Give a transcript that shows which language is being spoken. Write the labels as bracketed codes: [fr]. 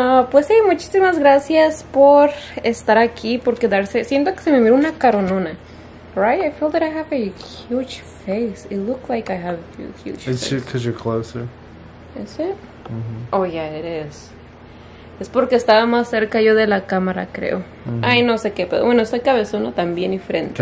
[es] pues sí, muchísimas gracias por estar aquí, por quedarse. Siento que se me mira una caronona. [en] Right, I feel that I have a huge face. It looks like I have a huge face. It's because you're closer. Is it? Mm-hmm. Oh, yeah, it is. [es] Es porque estaba más cerca yo de la cámara, creo. Mm-hmm. Ay, no sé qué, pero bueno, soy cabezona también y frente.